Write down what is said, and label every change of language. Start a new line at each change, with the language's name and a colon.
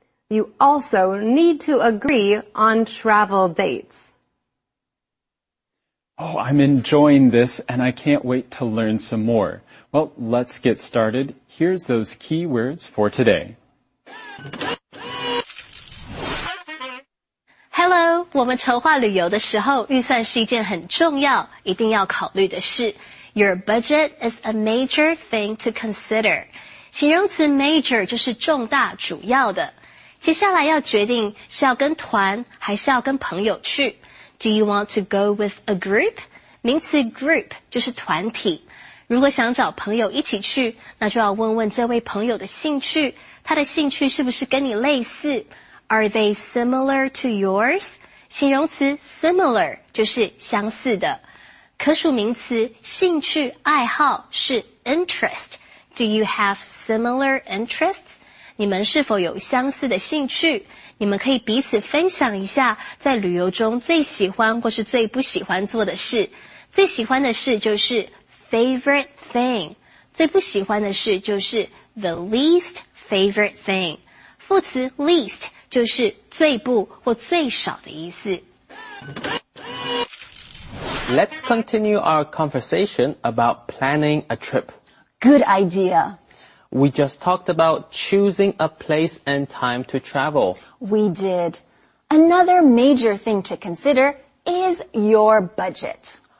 English: You also need to agree on travel dates. Oh, I'm enjoying this and I can't wait to learn some more. Well, let's get started. Here's those key words for today.
Chinese: Hello, 我们筹划旅游的时候，预算是一件很重要，一定要考虑的事。
English: Your budget is a major thing to consider.
Chinese: 形容词 major 就是重大、主要的。接下来要决定是要跟团还是要跟朋友去。
English: Do you want to go with a group?
Chinese: 名词 group 就是团体。如果想找朋友一起去，那就要问问这位朋友的兴趣，他的兴趣是不是跟你类似 ？
English: Are they similar to yours？
Chinese: 形容词 similar 就是相似的。可数名词兴趣爱好是 interest。
English: Do you have similar interests？
Chinese: 你们是否有相似的兴趣？你们可以彼此分享一下在旅游中最喜欢或是最不喜欢做的事。最喜欢的事就是。
English: Favorite thing,
Chinese: 最不喜欢的事就是
English: the least favorite thing.
Chinese: 副词 least 就是最不或最少的意思。
English: Let's continue our conversation about planning a trip. Good idea. We just talked about choosing a place and time to travel. We did. Another major thing to consider is your budget.